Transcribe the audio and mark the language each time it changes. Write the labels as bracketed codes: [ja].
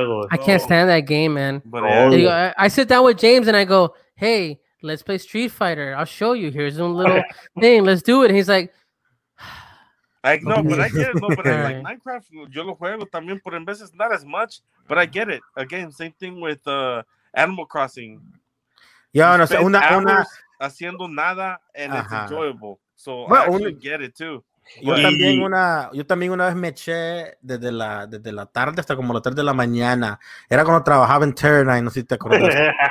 [en] I can't stand that game, man. I sit down with James and I go, hey, let's play Street Fighter. I'll show you. Here's a little thing. Let's do it. He's like, [es] Minecraft, yo lo juego también, pero en veces [en] not as much, but I get it. Again, same thing with Animal Crossing. [es] Yeah, no, una haciendo nada, [en] and it's enjoyable. So well, I actually get it too. [es] Yo también una vez me eché desde la tarde hasta como la tarde de la mañana. Era cuando trabajaba en Terna y no sé si te acuerdas.